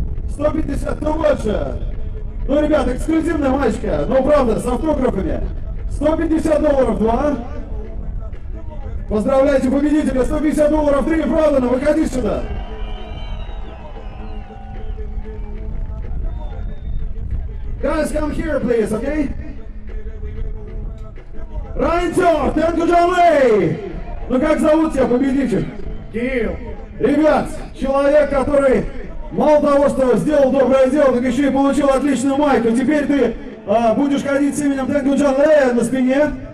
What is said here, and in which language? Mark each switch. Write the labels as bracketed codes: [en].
[ru] 150, ну больше. Ну, ребят, эксклюзивная маечка, ну правда, с автографами. $150 два. Поздравляйте победителя, $150 три, правда, ну выходи сюда. [en] Guys, come here, please, okay? [ru] Райнтер, thank you, Джоли! Ну как зовут тебя, победитель? Кирилл. Ребят, человек, который мало того, что сделал доброе дело, так еще и получил отличную майку. Теперь ты будешь ходить с именем thank you, Джоли на спине.